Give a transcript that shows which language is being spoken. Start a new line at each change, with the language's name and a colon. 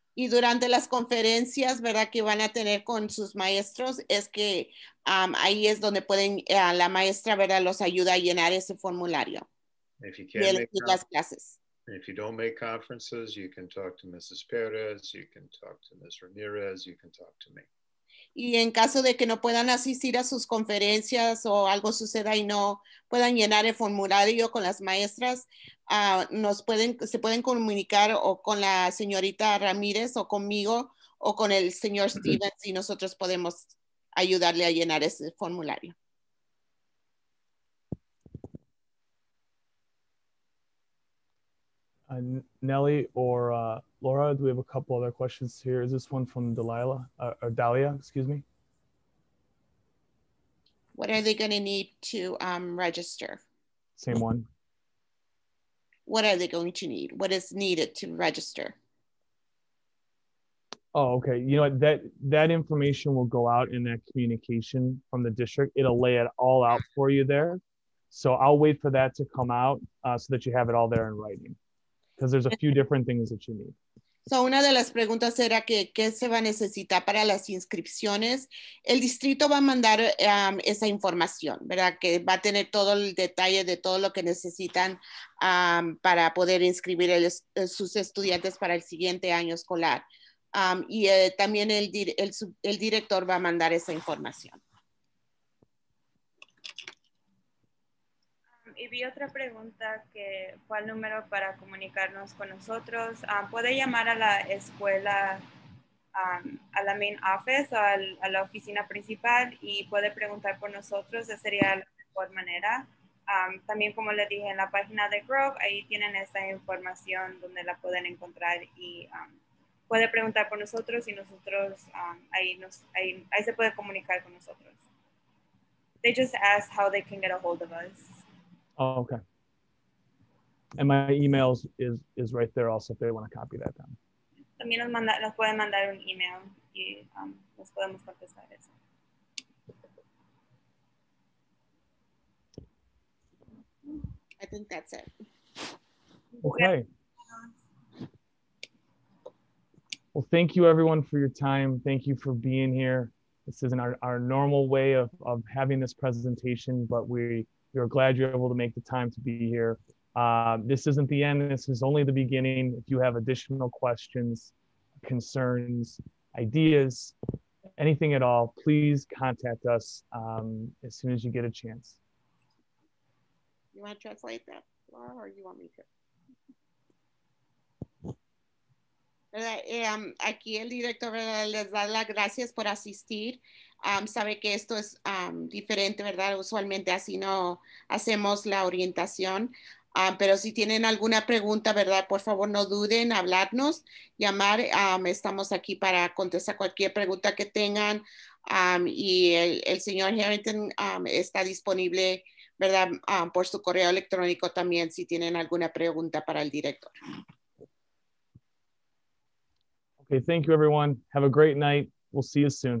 Spanish: Y durante las conferencias, ¿verdad?, que van a tener con sus maestros, es que ahí es donde pueden, la maestra, ¿verdad?, los ayuda a llenar ese formulario.
English: If you can't make
Spanish: las clases.
English: If you don't make conferences, you can talk to Mrs. Perez, you can talk to Ms. Ramirez, you can talk to me.
Spanish: Y en caso de que no puedan asistir a sus conferencias o algo suceda y no puedan llenar el formulario con las maestras, se pueden comunicar o con la señorita Ramírez o conmigo o con el señor Stevens y nosotros podemos ayudarle a llenar ese formulario.
English: Nelly or Laura, do we have a couple other questions here? Is this one from Delilah or Dahlia, excuse me? What are they going to need to register? Same one. What are they going to need? What is needed to register? Oh, okay. You know what? That information will go out in that communication from the district. It'll lay it all out for you there. So I'll wait for that to come out so that you have it all there in writing. Because there's a few different things that you need.
Spanish: So una de las preguntas era que qué se va a necesitar para las inscripciones. El distrito va a mandar esa información, ¿verdad? Que va a tener todo el detalle de todo lo que necesitan para poder inscribir sus estudiantes para el siguiente año escolar. Y también el director va a mandar esa información. Y vi otra pregunta, que ¿cuál número para comunicarnos con nosotros? ¿Puede llamar a la escuela, a la main office, a la oficina principal, y puede preguntar por nosotros? Esa sería la mejor manera. También, como le dije, en la página de Grove, ahí tienen esa información donde la pueden encontrar y puede preguntar por nosotros y nosotros ahí se puede comunicar con nosotros.
English: They just ask how they can get a hold of us. Oh, okay. And my email is right there also if they want to copy that down.
Spanish: También nos pueden mandar un email y nos podemos contestar eso.
English: I think that's it. Okay. Well, thank you everyone for your time. Thank you for being here. This isn't our normal way of having this presentation, but we're glad you're able to make the time to be here. This isn't the end, this is only the beginning. If you have additional questions, concerns, ideas, anything at all, please contact us as soon as you get a chance. You want to translate that, Laura, or you want me to?
Spanish: Aquí el director les da las gracias por asistir. Sabe que esto es diferente, ¿verdad? Usualmente así no hacemos la orientación. Pero si tienen alguna pregunta, ¿verdad?, por favor no duden hablarnos, llamar. Estamos aquí para contestar cualquier pregunta que tengan. Y el señor Harrington está disponible, ¿verdad?, por su correo electrónico también, si tienen alguna pregunta para el director.
English: Okay, thank you everyone. Have a great night. We'll see you soon.